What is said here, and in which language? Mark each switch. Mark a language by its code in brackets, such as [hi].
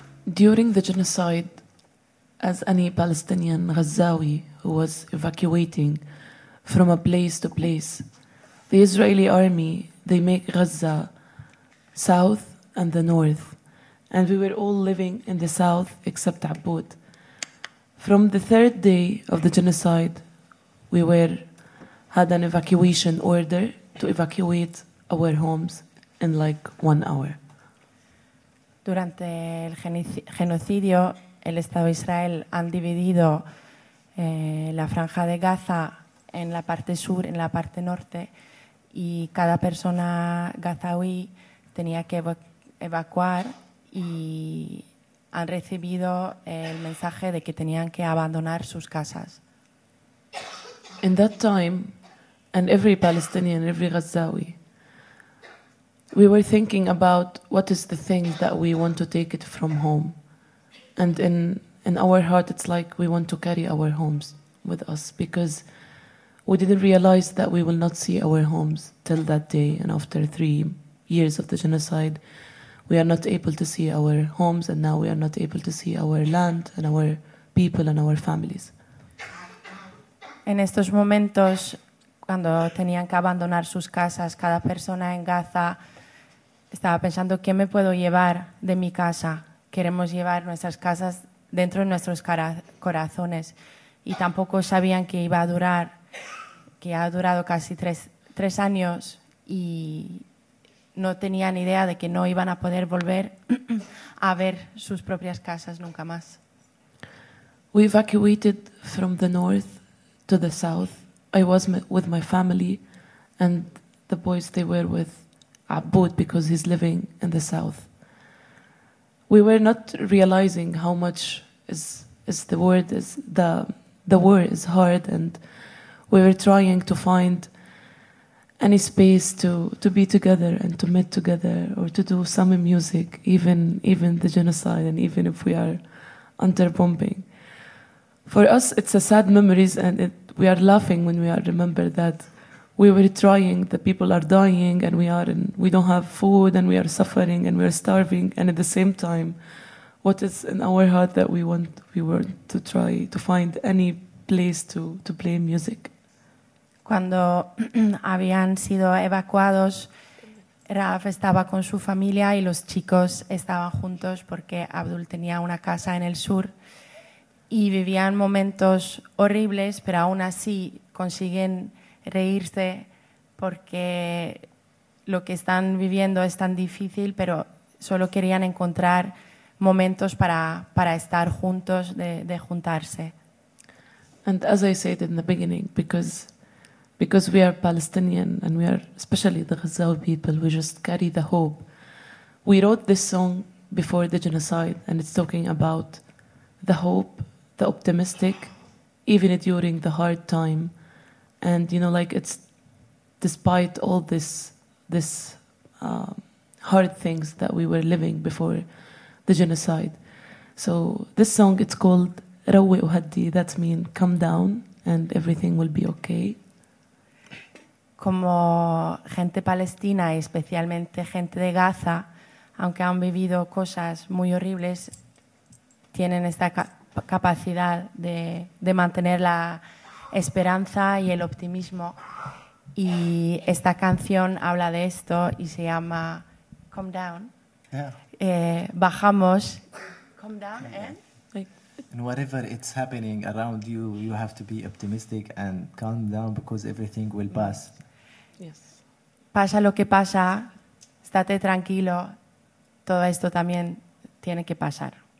[en] During the genocide, as any Palestinian Gazawi who was evacuating from a place to place, the Israeli army, they make Gaza south and the north. And we were all living in the south except Abud. From the third day of the genocide, we were had an evacuation order to evacuate our homes in like 1 hour. [es] Durante el genocidio, el Estado de Israel han dividido la franja de Gaza en la parte sur, en la parte norte, y cada persona gazawi tenía que evacuar y han recibido el mensaje de que tenían que abandonar sus casas. [en] In that time, and every Palestinian, every Gazawi, we were thinking about what is the thing that we want to take it from home. And in our heart, it's like we want to carry our homes with us because we didn't realize that we will not see our homes till that day. And after 3 years of the genocide, we are not able to see our homes, and now we are not able to see our land and our people and our families. [es] En estos momentos, cuando tenían que abandonar sus casas, cada persona en Gaza estaba pensando, ¿qué me puedo llevar de mi casa? Queremos llevar nuestras casas dentro de nuestros corazones. Y tampoco sabían que iba a durar, que ha durado casi tres años y no tenían idea de que no iban a poder volver a ver sus propias casas nunca más. [en] We evacuated from the north to the south. I was with my family and the boys they were with Abud, because he's living in the south. We were not realizing how much the war is hard, and we were trying to find any space to be together and to meet together or to do some music, even the genocide and even if we are under bombing. For us, it's a sad memories, and we are laughing when we are remember that. We were trying, the people are dying, and we don't have food, and we are suffering, and we are starving, and at the same time, what is in our heart that we want to try to find any place to play music. [es] Cuando habían sido evacuados, Raf estaba con su familia y los chicos estaban juntos porque Abdul tenía una casa en el sur y vivían momentos horribles, pero aún así consiguen reírse porque lo que están viviendo es tan difícil, pero solo querían encontrar momentos para estar juntos, de juntarse. [en] And as I said in the beginning, because we are Palestinian and we are especially the Gazawi people, we just carry the hope. We wrote this song before the genocide, and it's talking about the hope, the optimistic, even during the hard time. And you know, like it's despite all this hard things that we were living before the genocide. So this song, it's called Rawi Uhaddi, that means come down and everything will be okay. [es] Como gente palestina y especialmente gente de Gaza, aunque han vivido cosas muy horribles, tienen esta capacidad de mantener la esperanza y el optimismo, y esta canción habla de esto y se llama Come Down. [en] Yeah. [es] Bajamos. [en] Come down, And whatever it's happening around you, you have to be optimistic and calm down because everything will pass. Yes. [es] Pasa lo que pasa, estate tranquilo, todo esto también tiene que pasar.